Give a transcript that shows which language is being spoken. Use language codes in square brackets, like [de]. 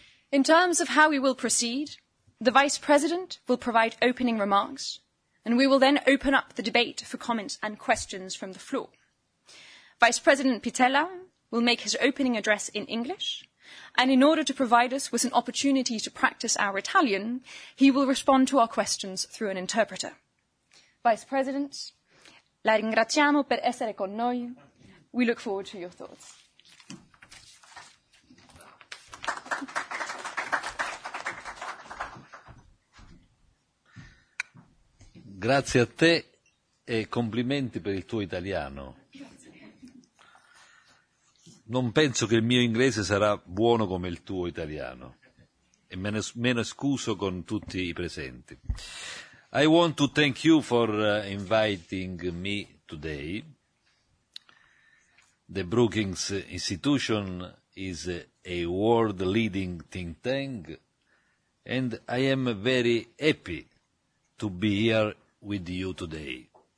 [en] In terms of how we will proceed, the Vice President will provide opening remarks, and we will then open up the debate for comments and questions from the floor. Vice President Pittella will make his opening address in English, and in order to provide us with an opportunity to practice our Italian, he will respond to our questions through an interpreter. Vice President, [it] la ringraziamo per essere con noi. [en] We look forward to your thoughts. [it] Grazie a te e complimenti per il tuo italiano. Non penso che il mio inglese sarà buono come il tuo italiano. E me ne scuso con tutti i presenti. [en] I want to thank you for inviting me today. The Brookings Institution is a world-leading think tank and I am very happy to be here with you today.